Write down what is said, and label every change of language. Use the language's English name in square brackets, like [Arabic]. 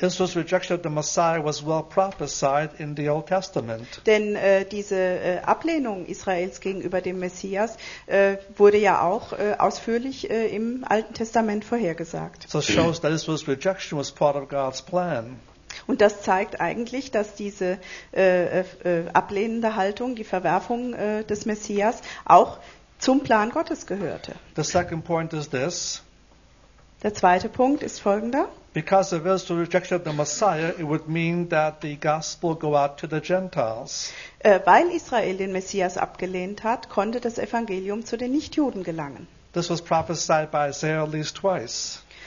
[English] Israel's rejection of the Messiah was well prophesied in the Old Testament. [German] Denn diese Ablehnung Israels gegenüber dem Messias wurde ja auch ausführlich im Alten Testament vorhergesagt. [English] So it shows that Israel's rejection was part of God's plan. [German] Und das zeigt eigentlich, dass diese ablehnende Haltung, die Verwerfung des Messias, auch zum Plan Gottes gehörte. [English] The second point is this. [German] Der zweite Punkt ist folgender. [English] Because of Israel's rejection of the Messiah, it would mean that the gospel go out to the Gentiles. [German] Weil Israel den Messias abgelehnt hat, konnte das Evangelium zu den Nichtjuden gelangen. [English] This was prophesied by Isaiah at least twice.